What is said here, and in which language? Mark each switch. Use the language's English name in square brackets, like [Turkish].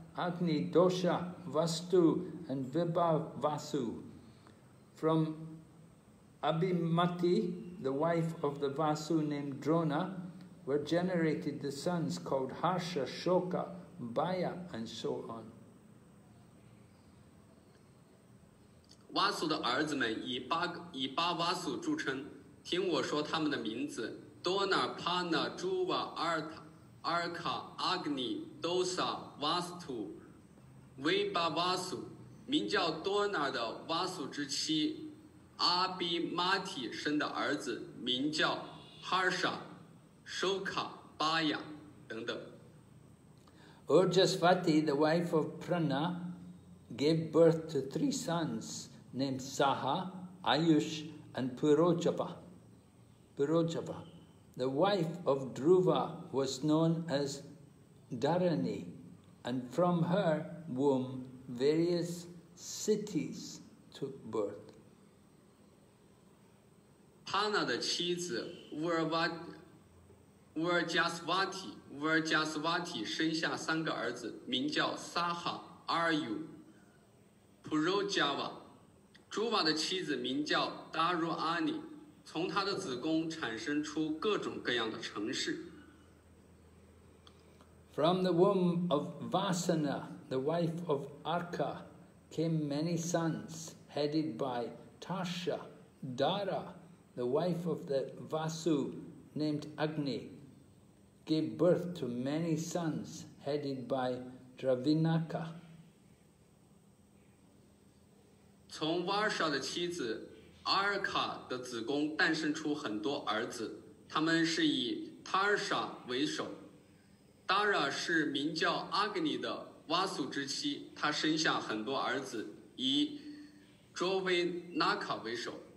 [English] Agni, Dosha, Vastu, and Vibha Vasu. From Abhimati, the wife of the Vasu named Drona, were generated the sons called Harsha, Shoka, Baya, and so on. [Chinese] Vasu 的儿子们以八瓦苏著称，听我说他们的名字：多纳、帕纳、朱瓦、阿尔塔、阿尔卡、阿格尼、多萨、瓦斯图、维巴瓦苏。名叫多纳的瓦苏之妻阿比马提生的儿子名叫哈尔沙、舒卡、巴雅等等。 [English] Urjasvati, the wife of Prana, gave birth to three sons. Named Saha, Ayush, and Purojava. Purojava, the wife of Dhruva, was known as Dharani, and from her womb, various cities took birth. [Chinese] Pana 的妻子 Urjasvati 生下三个儿子，名叫 Saha, Ayu, Purojava. 朱瓦的妻子名叫达如阿尼，从她的子宫产生出各种各样的城市。 [English] From the womb of Vasana, the wife of Arka, came many sons, headed by Tarsha, Dara, the wife of the Vasu named Agni, gave birth to many sons, headed by Dravinaka. [Chinese] 从瓦沙的妻子阿尔卡的子宫诞生出很多儿子，他们是以塔尔沙为首。达拉是名叫阿格尼的瓦苏之妻，她生下很多儿子，以卓维纳卡为首。